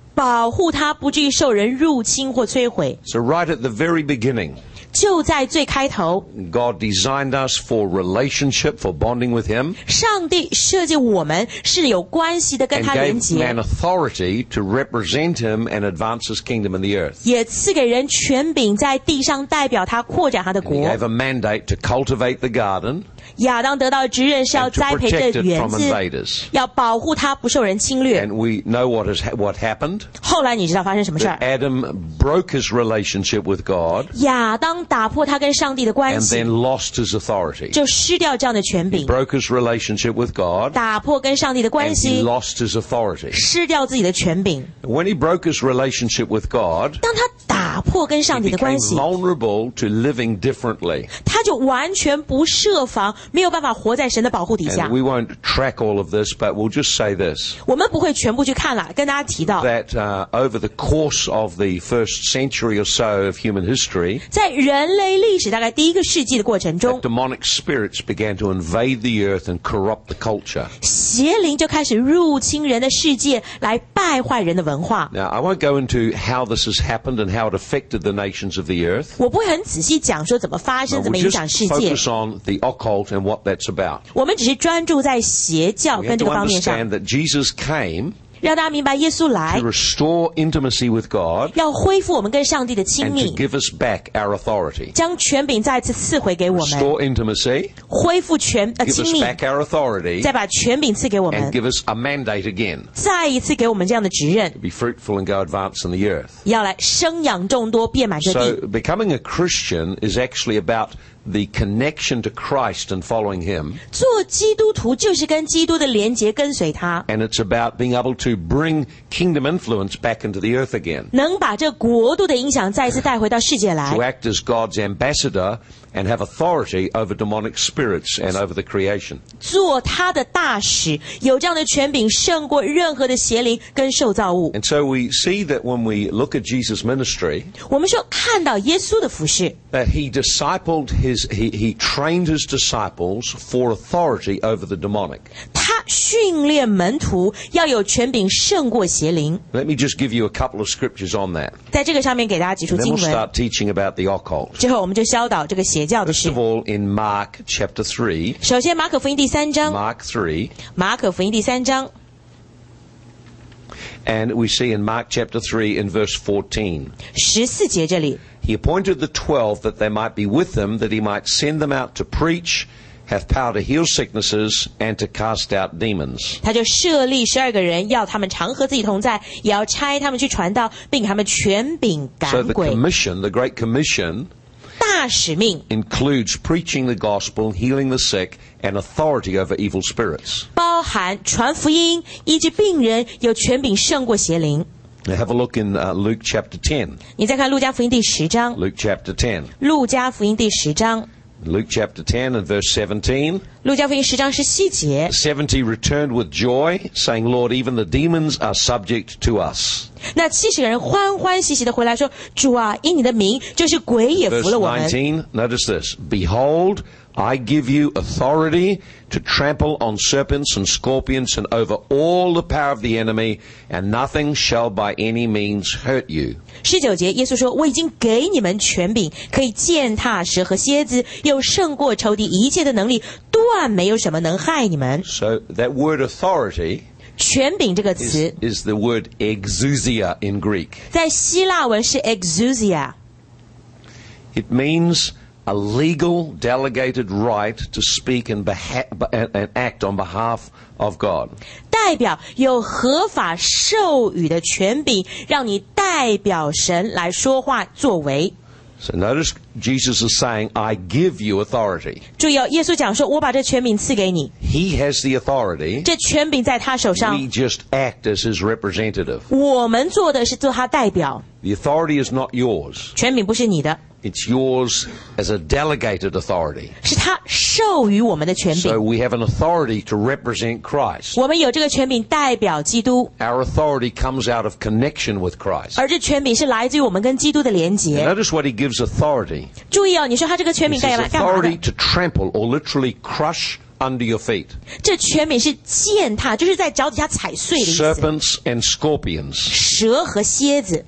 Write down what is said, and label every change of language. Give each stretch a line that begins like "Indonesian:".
Chinese: 保护他不至于受人入侵或摧毁。
English: So right at the very beginning,
Chinese: 就在最开头
English: God designed us for relationship, for bonding with him.
Chinese: 上帝设计我们是有关系的跟他连接。
English: And gave man authority to represent him and advance his kingdom in the earth.
Chinese: 也赐给人权柄在地上代表他扩展他的国。
English: And he gave a mandate to cultivate the garden.
Chinese: 亚当得到的职任是要栽培这园子，要保护它不受人侵略。
English: And we know what happened.
Chinese: 后来你知道发生什么事儿
English: ？Adam broke his relationship with God.
Chinese: 亚当打破他跟上帝的关系
English: ，and then lost his authority.
Chinese: 就失掉这样的权柄。
English: He broke his relationship with God.
Chinese: 打破跟上帝的关系
English: ，and he lost his authority.
Chinese: 失掉自己的权柄。
English: When he broke his relationship with God.
Chinese: 当他打破跟上帝的关系
English: ，he became vulnerable to living differently.
Chinese: 他就完全不设防。没有办法活在神的保护底下。
English: And we won't track all of this, but we'll just say this.
Chinese: 我们不会全部去看了，跟大家提到。
English: That over the course of the first century or so of human history,
Chinese: 在人类历史大概第一个世纪的过程中
English: that demonic spirits began to invade the earth and corrupt the culture.
Chinese: 邪灵就开始入侵人的世界，来败坏人的文化。
English: Now, I won't go into how this has happened and how it affected the nations of the earth.
Chinese: 我不会很仔细讲说怎么发生，怎么影响世界。
English: We'll just focus on the occult. And what that's about.
Chinese: 我们只是专注在邪教跟这个方面上。
English: We understand that Jesus came.
Chinese: 让大家明白耶稣来。
English: To restore intimacy with God.
Chinese: 要恢复我们跟上帝的亲密。
English: And to give us back our authority.
Chinese: 将权柄再次赐回给我们。
English: Restore intimacy.
Chinese: 恢复权亲密。
English: Give us back our authority.
Chinese: 再把权柄赐给我们。
English: And give us a mandate again.
Chinese: 再一次给我们这样的职任。
English: To be fruitful and go advance in the earth.
Chinese: 要来生养众多，遍满这地。
English: So becoming a Christian is actually about. The connection to Christ and following Him.
Chinese: 做基督徒就是跟基督的连结，跟随他。
English: And it's about being able to bring kingdom influence back into the earth again.
Chinese: 能把这国度的影响再次带回到世界来。
English: To act as God's ambassador and have authority over demonic spirits and over the creation.
Chinese: 做他的大使，有这样的权柄胜过任何的邪灵跟受造物。
English: And so we see that when we look at Jesus' ministry,
Chinese: 我们说看到耶稣的服事
English: that He discipled. He trained his disciples for authority over the demonic.
Chinese: 他训练门徒要有权柄胜过邪灵。
English: Let me just give you a couple of scriptures on that.
Chinese: 在这个上面给大家几处经文。
English: Then we'll start teaching about the occult.
Chinese: 之后我们就教导这个邪教的事。
English: First of all, in Mark chapter 3.
Chinese: 首先马可福音第三章。
English: Mark 3.
Chinese: 马可福音第三章。
English: And we see in Mark chapter 3 in verse 14.
Chinese: 十四节这里。
English: He appointed the 12 that they might be with him, that he might send them out to preach, have power to heal sicknesses, and to cast out demons.
Chinese: 他就设立十二个人，要他们常和自己同在，也要差他们去传道，并给他们权柄赶鬼。
English: So the commission, the great commission,
Chinese: 大使命
English: includes preaching the gospel, healing the sick, and authority over evil spirits.
Chinese: 包含传福音，医治病人，有权柄胜过邪灵。
English: Now have a look in Luke chapter 10.
Chinese: 你再看路加福音第十章。
English: Luke chapter 10.
Chinese: 路加福音第十章。
English: Luke chapter 10 and verse 17.
Chinese: 路加福音十章十七节。
English: 70 returned with joy, saying, Lord, even the demons are subject to us.
Chinese: 那七十个人欢欢喜喜地回来说，主啊，因你的名，就是鬼也服了我们。
English: Verse 19, notice this. Behold, I give you authority to trample on serpents and scorpions and over all the power of the enemy, and nothing shall by any means hurt you.
Chinese: 十九节，耶稣说：“我已经给你们权柄，可以践踏蛇和蝎子，又胜过仇敌一切的能力，断没有什么能害你们。”
English: So that word authority.
Chinese: 权柄这个词
English: is the word exousia in Greek.
Chinese: 在希腊文是 exousia.
English: It means. A legal delegated right to speak and, and act on behalf of God.
Chinese: 代表有合法授予的权柄，让你代表神来说话作为。
English: So notice Jesus is saying, "I give you authority."
Chinese: 注意哦，耶稣讲说，我把这权柄赐给你。
English: He has the authority.
Chinese: 这权柄在他手上。
English: We just act as his representative.
Chinese: 我们做的是做他代表。
English: The authority is not yours.
Chinese: 权柄不是你的。
English: It's yours as a delegated authority.
Chinese: 是他授予我们的权柄。
English: So we have an authority to represent Christ.
Chinese: 我们有这个权柄代表基督。
English: Our authority comes out of connection with Christ.
Chinese: 而这权柄是来自于我们跟基督的连结。
English: And notice what he gives authority.
Chinese: 注意哦，你说他这个权柄干嘛？
English: It's authority to trample or literally crush under your feet.
Chinese: 这全名是践踏，就是在脚底下踩碎的意思。
English: Serpents and scorpions.
Chinese: 蛇和蝎子。